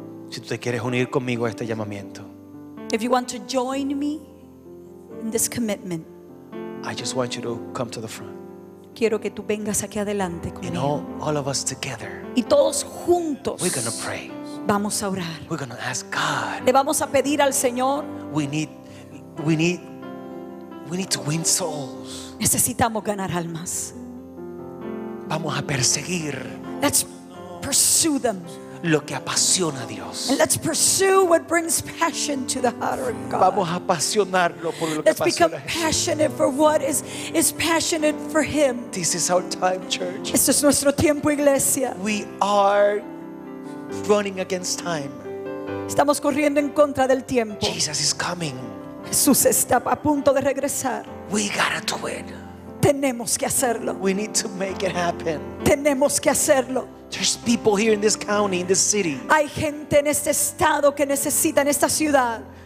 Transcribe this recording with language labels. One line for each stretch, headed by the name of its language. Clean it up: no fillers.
Spanish: Si tú te quieres unir conmigo a este llamamiento.
English: If you want to join me in this commitment. I just want you to come to the front.
Spanish: Quiero que tú vengas aquí adelante conmigo.
English: And all of us together.
Spanish: Y todos juntos.
English: We're going to pray.
Spanish: Vamos a orar.
English: We're going to ask God.
Spanish: Le vamos a pedir al Señor.
English: We need to win souls.
Spanish: Necesitamos ganar almas. Vamos a perseguir.
English: Let's pursue them.
Spanish: Lo que apasiona a Dios.
English: And let's pursue what brings passion to the heart of God.
Spanish: Vamos a apasionarlo por lo
English: let's
Spanish: que apasiona
English: become
Spanish: a Jesús.
English: Passionate for what is passionate for Him. This is our time, church.
Spanish: Este es nuestro tiempo, iglesia.
English: We are running against time.
Spanish: Estamos corriendo en contra del tiempo.
English: Jesus is coming.
Spanish: Jesús está a punto de regresar.
English: We gotta do it.
Spanish: Tenemos que hacerlo.
English: We need to make it happen.
Spanish: Tenemos que hacerlo.
English: There's people here in this county, in this city.
Spanish: Hay gente en este estado que necesitan esta ciudad.